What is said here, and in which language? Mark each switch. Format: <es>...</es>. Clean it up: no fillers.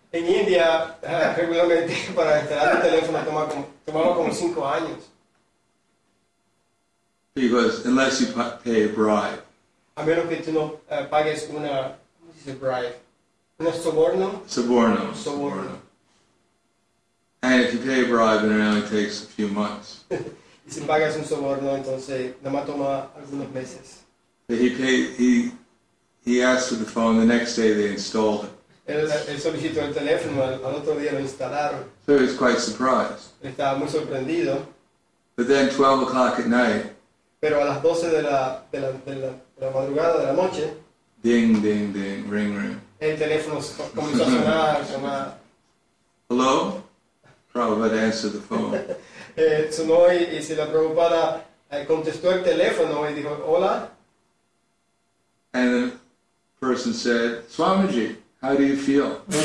<es>En India, regularmente para instalar un teléfono tomaba como 5 años.</es> <en>Because unless you pay a bribe.</en> <es>A menos que tú no pagues una, ¿cómo se dice bribe? ¿Un soborno? Soborno.</es> <en>And if you pay a bribe, then it only takes a few months.</en> <es>Y si pagas un soborno, entonces nada más toma algunos meses.</es> <en>But he asked for the phone, the next day they installed it.</en> <es>Él solicitó el teléfono, al otro día lo instalaron.</es> <en>So he was quite surprised.</en> <es>Estaba muy sorprendido.</es> <en>But then 12 o'clock at night.</en> <es>Pero a las 12 de la madrugada de la noche. Ding, ding, ding, ring, ring. El teléfono comenzó a sonar, llamada.</es> <en>Hello? Prabhupada answered the phone.</en> <es>Sonó y si la Prabhupada contestó el teléfono y dijo, hola.</es> <en>And the person said, Swamiji, how do you feel?</en>